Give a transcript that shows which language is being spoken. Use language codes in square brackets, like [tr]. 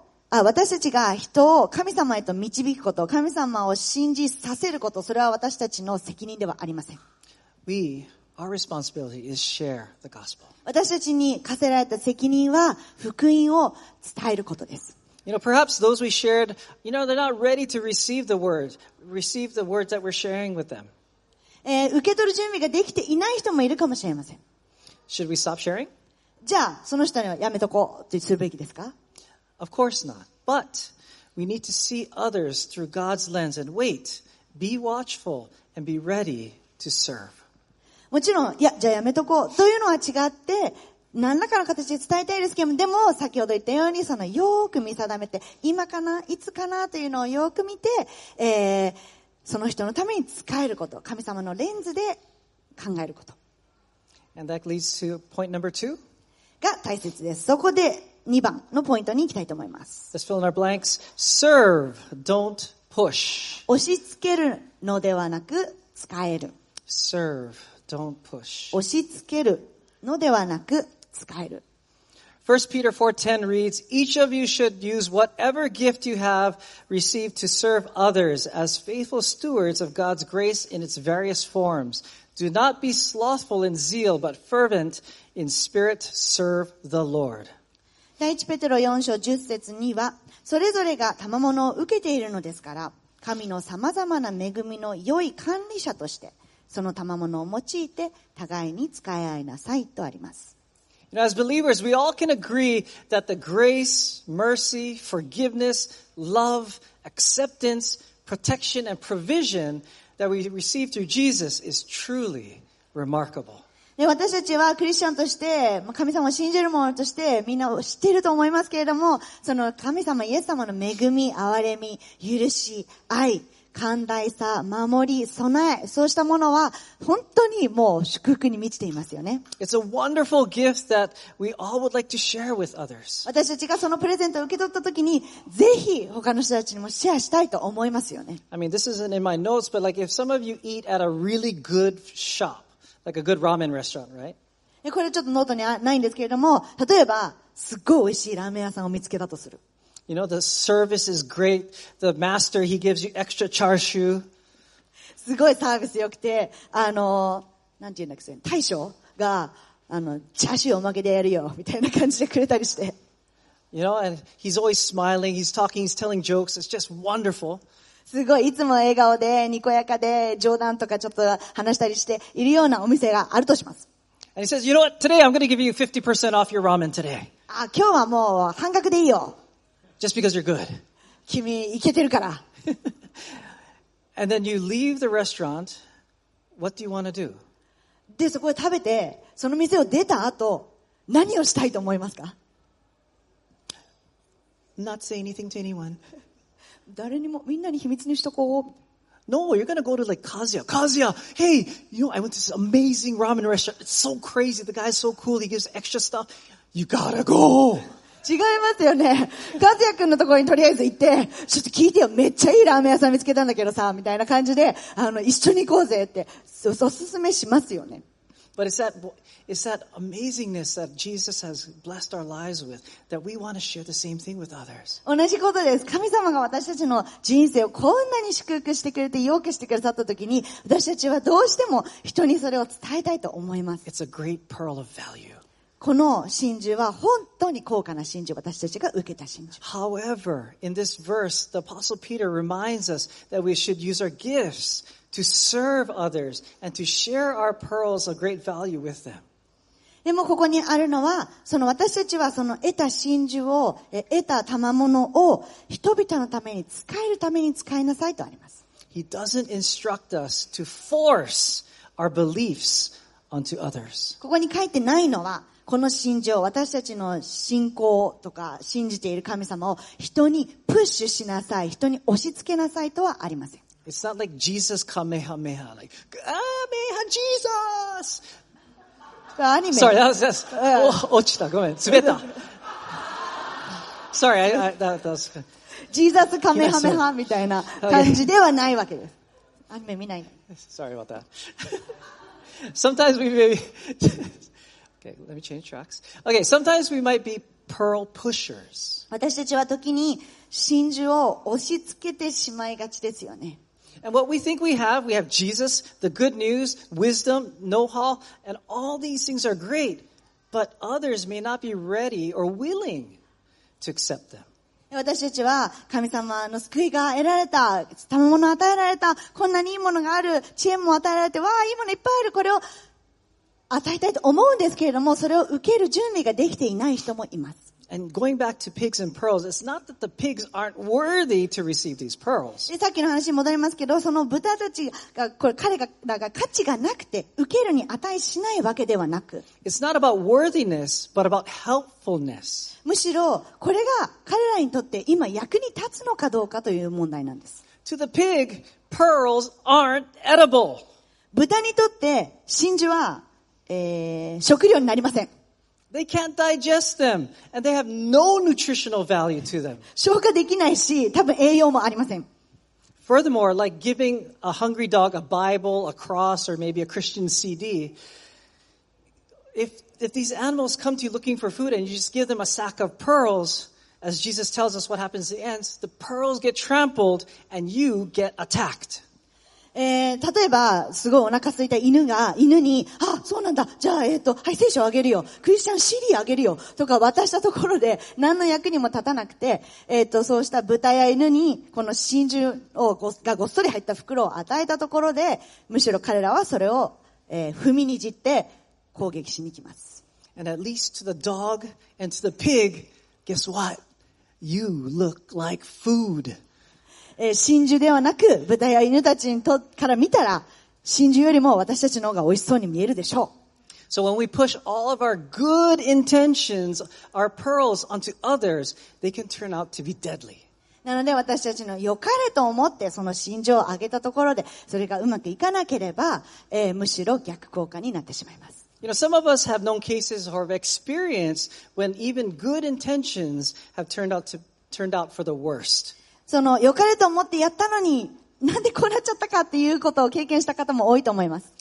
[ja] 私たちが人を神様へと導くこと、神様を信じさせること、それは私たちの責任ではありません。 [en] Our responsibility is share the gospel. [ja] 私たちに課せられた責任は福音を伝えることです。 [en] You know, perhaps those we shared, you know, they're not ready to receive the words that we're sharing with them. [ja] 受け取る準備ができていない人もいるかもしれません。 [en] Should we stop sharing? [ja] じゃあその人にはやめとこうってするべきですか？ [en] Of course not. But we need to see others through God's lens and wait. Be watchful and be ready to serve. [ja] もちろん、いや、じゃあやめとこうというのは違って、何らかの形で伝えたいですけども、でも先ほど言ったように、そのよく見定めて、今かな、いつかなというのをよく見て、その人のために使えること、神様のレンズで考えること。 [en] And that leads to point number two. [ja] が大切です。そこで2番のポイントに行きたいと思います。 [en] Let's fill in our blanks. Serve, don't push. [ja] 押し付けるのではなく使える。 [en] Serve, don't push. [ja] 押し付けるのではなく使える。 [en] 1 Peter 4:10 reads, Each of you should use whatever gift you have received to serve others as faithful stewards of God's grace in its various forms. Do not be slothful in zeal, but fervent in spirit, serve the Lord. [ja] 第1ペテロ4章10節には、それぞれが賜物を受けているのですから、神の様々な恵みの良い管理者として、その賜物を用いて互いに使い合いなさいとあります。 [en] You know, as believers, we all can agree that the grace, mercy, forgiveness, love, acceptance, protection, and provision that we receive through Jesus is truly remarkable. [ja] 私たちはクリスチャンとして、神様を信じる者としてみんな知っていると思いますけれども、その神様、イエス様の恵み、憐れみ、許し、愛、寛大さ、守り、備え、そうしたものは本当にもう祝福に満ちていますよね。 [en] It's a wonderful gift that we all would like to share with others. [ja] 私たちがそのプレゼントを受け取った時に、ぜひ他の人たちにもシェアしたいと思いますよね。 [en] I mean, this isn't in my notes, but like if some of you eat at a really good shop, Like a good ramen restaurant, right? [ja] これちょっとノートにないんですけれども、例えば、すっごい美味しいラーメン屋さんを見つけたとする。 [en] You know, the service is great. The master, he gives you extra char siu. [ja] すごいサービス良くて、なんて言うんだっけ、大将が、チャーシューおまけでやるよ、みたいな感じでくれたりして。 [en] You know, and he's always smiling, he's talking, he's telling jokes, it's just wonderful. [ja] すごい、いつも笑顔で、にこやかで、冗談とかちょっと話したりしているようなお店があるとします。 [en] And he says, you know what, today I'm going to give you 50% off your ramen today. [ja] あ、今日はもう半額でいいよ。 [en] Just because you're good. [ja] 君、いけてるから。 [en] And then you leave the restaurant, what do you want to do? [ja] で、そこで食べて、その店を出た後、何をしたいと思いますか？ [en] Not say anything to anyone. [ja] 誰にも、みんなに秘密にしとこう。 [en] No, you're gonna go to like Kazuya. Kazuya, hey, you know, I went to this amazing ramen restaurant. It's so crazy. The guy's so cool. He gives extra stuff. You gotta go. [ja] 違いますよね。カズヤ君のところにとりあえず行って、ちょっと聞いてよ。めっちゃいいラーメン屋さん見つけたんだけどさ、みたいな感じで、一緒に行こうぜって、おすすめしますよね。 [en] But it's that amazingness that Jesus has blessed our lives with that we want to share the same thing with others. [ja] 同じことです。神様が私たちの人生をこんなに祝福してくれて、良くしてくださった時に、私たちはどうしても人にそれを伝えたいと思います。 [en] It's a great pearl of value. [ja] この真珠は本当に高価な真珠、私たちが受けた真珠。 [en] However, in this verse, the Apostle Peter reminds us that we should use our gifts. To serve others and to share our pearls of great value with them. [ja] でもここにあるのは、その私たちはその得た真珠を、得た賜物を人々のために使えるために使いなさいとあります。 [en] He doesn't instruct us to force our beliefs onto others. [ja] ここに書いてないのは、この真珠を私たちの信仰とか信じている神様を人にプッシュしなさい、人に押し付けなさいとはありません。 [en] It's not like Jesus Kamehameha, like, Kamehameha Jesus! Sorry, that was, Ochita, go ahead, Sveta. Sorry, that was. [ja] Jesus Kamehameha, みたいな感じではないわけです。アニメ見ないの。 [en] Sorry about that. Sometimes we may be, okay, let me change tracks. Okay, sometimes we might be pearl pushers. [ja] 私たちは時に真珠を押し付けてしまいがちですよね。 [en] And what we think we have Jesus, the good news, wisdom, know-how, and all these things are great, but others may not be ready or willing to accept them. [ja] 私たちは神様の救いが得られた、賜物を与えられた、こんなにいいものがある、知恵も与えられて、わあ、いいものいっぱいある、これを与えたいと思うんですけれども、それを受ける準備ができていない人もいます。 [en] And going back to pigs and pearls, it's not that the pigs aren't worthy to receive these pearls. [ja] さっきの話に戻りますけど、その豚たちが、これ彼らが価値がなくて、受けるに値しないわけではなく。 [en] It's not about worthiness, but about helpfulness. [ja] むしろ、これが彼らにとって今役に立つのかどうかという問題なんです。 [en] To the pig, pearls aren't edible. [ja] 豚にとって真珠は、食料になりません。 [en] They can't digest them, and they have no nutritional value to them. [ja] 消化できないし、多分栄養もありません。 [en] Furthermore, like giving a hungry dog a Bible, a cross, or maybe a Christian CD, if these animals come to you looking for food and you just give them a sack of pearls, as Jesus tells us what happens at the end, the pearls get trampled and you get attacked. [ja] 例えば、すごいお腹空いた犬が、犬に、あ、そうなんだ、じゃあ、はい、聖書あげるよ、クリスチャンシリーあげるよ、とか渡したところで、何の役にも立たなくて、そうした豚や犬に、この真珠をがごっそり入った袋を与えたところで、むしろ彼らはそれを、踏みにじって攻撃しに来ます。 [en] And at least to the dog and to the pig, guess what? You look like food. [ja] 真珠ではなく、豚や犬たちから見たら、真珠よりも私たちの方が美味しそうに見えるでしょう。 [en] So when we push all of our good intentions, our pearls onto others, they can turn out to be deadly. [ja] なので私たちの良かれと思ってその真珠をあげたところで、それがうまくいかなければ、むしろ逆効果になってしまいます。 [en] You know, some of us have known cases or have experienced when even good intentions have turned out for the worst. [ja] その、良かれと思ってやったのに、なんでこうなっちゃったかっていうことを経験した方も多いと思います。